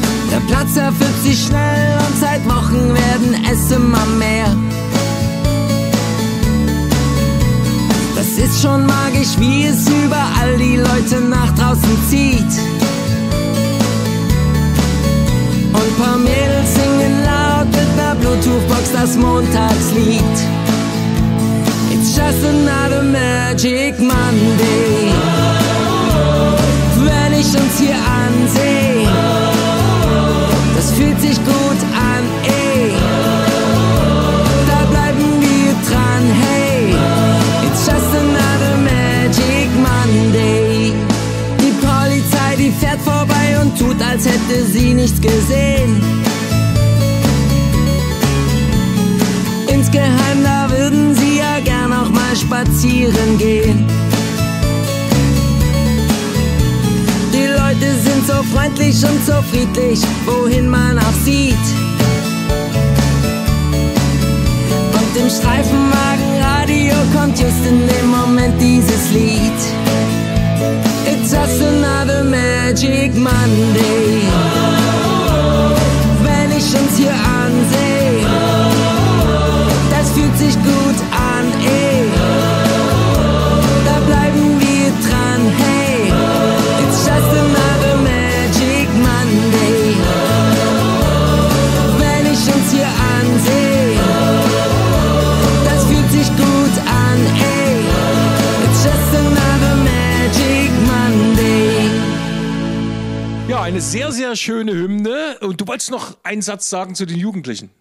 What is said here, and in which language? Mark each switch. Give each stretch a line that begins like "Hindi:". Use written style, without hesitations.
German: Der Platz erfüllt sich schnell und seit Wochen werden es immer mehr. Das ist schon magisch, wie es überall die Leute nach draußen zieht. Und ein paar Mädels singen laut. das Montagslied.
English: It's just another magic Monday.
German: Wenn ich uns hier ansehe, das fühlt sich gut an, ey. Da bleiben wir dran, hey.
English: It's just another magic Monday.
German: Die Polizei, die fährt vorbei und tut, als hätte sie nichts gesehen. Insgeheim, da würden sie ja gern auch mal spazieren gehen. Die Leute sind so freundlich und so friedlich, wohin man auch sieht. Und im Streifenwagenradio kommt just in dem Moment dieses Lied.
English: It's just another magic Monday.
German: Wenn ich uns hier ansehe, fühlt sich gut an, ey. Da bleiben wir dran, hey.
English: It's just another magic Monday.
German: Wenn ich uns hier ansehe, das fühlt sich gut an, ey.
English: It's just another magic Monday.
German: Ja, eine sehr, sehr schöne Hymne. Und du wolltest noch einen Satz sagen zu den Jugendlichen.